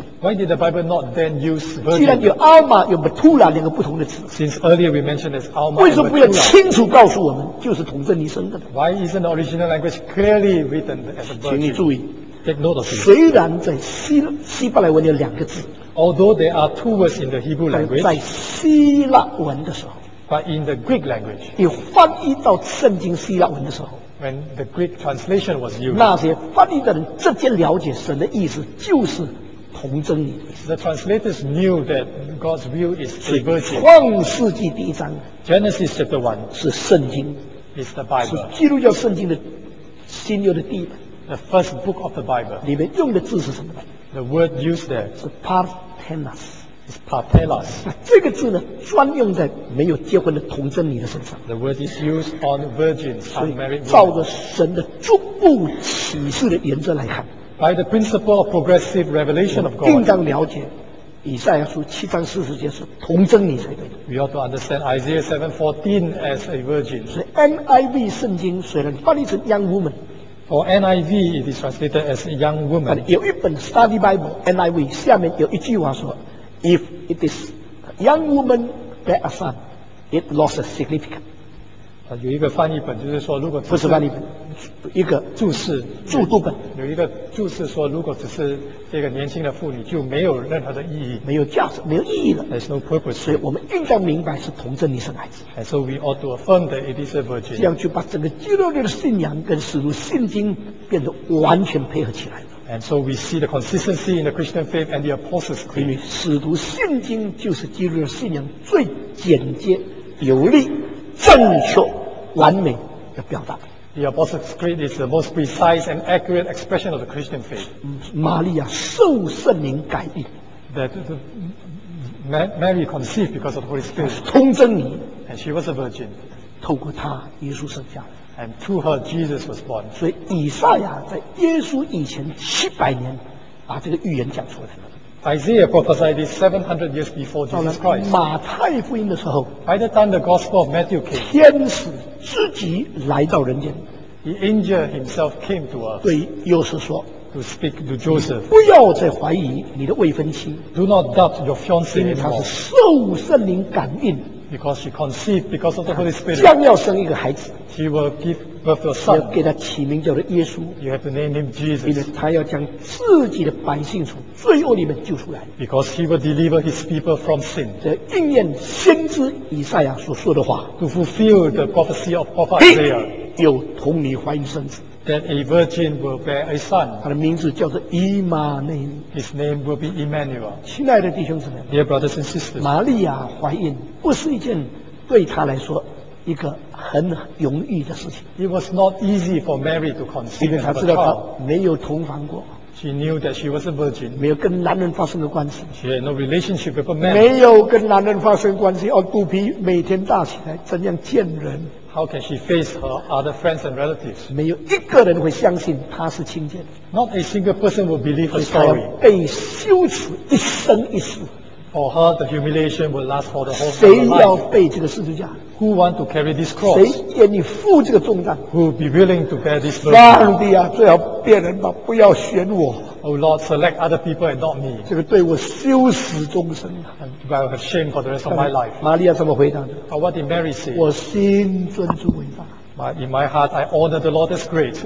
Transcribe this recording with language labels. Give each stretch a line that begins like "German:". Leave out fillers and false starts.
English: ？Why did the Bible not then use virgin？
Chinese: 既然有 Alma 有 Betula 两个不同的字
English: ，Since earlier we mentioned as Alma，
Chinese: 为什么不要清楚告诉我们就是童贞女生的
English: ？Why isn't the original language？ Clearly written as a virgin.
Chinese: 请你注意
English: ，take note of this.
Chinese: 虽然在希伯来文有两个字
English: ，although there are two words in the Hebrew language，
Chinese: 在希腊文的时候
English: ，but in the Greek language，
Chinese: 你翻译到圣经希腊文的时候
English: ，when the Greek translation was used，
Chinese: 那些翻译的人直接了解神的意思就是童贞女。
English: The translators knew that God's will is a virgin.
Chinese: 创世纪第一章
English: ，Genesis chapter one，
Chinese: 是圣经
English: ，is the Bible，
Chinese: 是基督教圣经的。新约的第一本
English: ，The first book of the Bible，
Chinese: 里面用的字是什么
English: ？The word used there
Chinese: 是 partenas，是 partenas。这个字呢，专用在没有结婚的童贞女的身上。
English: The word is used on virgins, unmarried women.
Chinese: 照着神的逐步启示的原则来看
English: By the principle of progressive revelation of God.
Chinese: 应当了解以赛亚书七章四十节是童贞女才对的。
English: We ought to understand Isaiah 7:14 as a virgin.
Chinese: 所以 NIV 圣经虽然翻译成
English: young woman, for NIV it is translated as a young woman.
Chinese: 有一本
English: study Bible NIV
Chinese: 下面有一句话说
English: ，If it is a young woman bear a son, it loses significance.
Chinese: 有一个翻译本就是说如果不是翻译本一个注释注读本有一个注释说如果只是这个年轻的妇女就没有任何的意义没有价值没有意义了
English: There's no purpose
Chinese: 所以我们应该明白是童贞女生孩子
English: And so we ought to affirm that it is a virgin
Chinese: 这样就把整个基督教的信仰跟使徒圣经变得完全配合起来了
English: And so we see the consistency in the Christian faith and the apostles creed
Chinese: 因为使徒圣经就是基督教信仰最简洁有力正确完美的表达
English: The Apostles' Creed is the most precise and accurate expression of the Christian faith
Chinese: 玛利亚受圣灵感孕
English: That Mary conceived because of the Holy Spirit
Chinese: 童贞女
English: And she was a virgin
Chinese: 透过她耶稣生下
English: And through her Jesus was born
Chinese: 所以以赛亚在耶稣以前七百年把这个预言讲出来了
English: Isaiah prophesied this 700 years before Jesus Christ.
Chinese: 马太福音的时候
English: By the time the Gospel of Matthew came,
Chinese: 天使自己来到人间
English: The angel himself came to us.
Chinese: 对约瑟说
English: To speak to Joseph.
Chinese: 不要再怀疑你的未婚妻
English: Do not doubt your fiancée anymore.
Chinese: 因为她是受圣灵感孕
English: Because she conceived because of the Holy Spirit.
Chinese: 将要生一个孩子
English: She will give birth to a son.
Chinese: 要给他起名叫做耶稣
English: You have to name him Jesus.
Chinese: 因为他要将自己的百姓从罪恶里面救出来
English: Because he will deliver his people from sin.
Chinese: 这应验先知以赛亚所说的话
English: To fulfill the prophecy of prophet Isaiah.
Chinese: 有童女怀孕生子
English: That a virgin will bear a son.
Chinese: 他的名字叫做以马内利
English: His name will be Emmanuel.
Chinese: 亲爱的弟兄姊妹
English: Dear brothers and sisters.
Chinese: 玛利亚怀孕不是一件对他来说一个很容易的事情
English: It was not easy for Mary to conceive
Chinese: 因为她知道她没有同房过
English: She knew that she was a virgin
Chinese: 没有跟男人发生的关系
English: She had no relationship with a man
Chinese: 没有跟男人发生关系肚皮每天大起来怎样见人
English: How can she face her other friends and relatives
Chinese: 没有一个人会相信她是清洁的
English: Not a single person will believe her story
Chinese: 所以她要被羞耻一生一世
English: For her the humiliation will last for the whole life
Chinese: 谁要背这个十字架
English: Who want to carry this cross?
Chinese: 谁愿意负这个重担
English: Who be willing to bear this burden?
Chinese: 上帝啊，最好别人吧，不要选我。
English: Oh Lord, select other people and not me.
Chinese: 这个对我羞耻终身啊。
English: I will have shame for the rest of my life.
Chinese: 玛利亚怎么回答的
English: ？But what did Mary say?
Chinese: 我心尊主为大。
English: In my heart, I honor the Lord as great.